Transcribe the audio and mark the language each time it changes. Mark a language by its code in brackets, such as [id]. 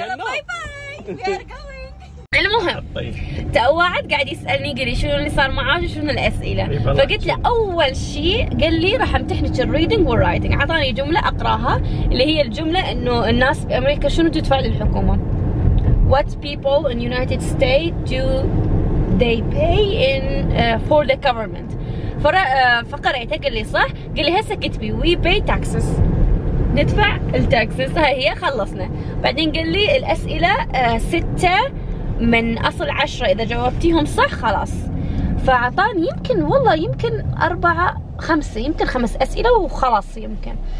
[ar] يلا باي باي. المهم تواعد قاعد يسألني قلي شنو اللي صار معاه وشنو الأسئلة. فقلت له أول شيء قال لي راح امتحنك الريدنج والرايتنج. عطاني جملة أقراها اللي هي الجملة إنه الناس في أمريكا شنو تدفع للحكومة. [en] What people in United States do they pay in for the government. [ar] فقرأتها قال لي صح. قال لي هسه كتبي [en] we pay taxes. [ar] ندفع التاكسس. هاي هي خلصنا. بعدين قال لي الأسئلة ستة من أصل عشرة إذا جاوبتيهم صح خلاص. فعطاني يمكن والله يمكن أربعة خمسة يمكن خمس أسئلة وخلاص يمكن.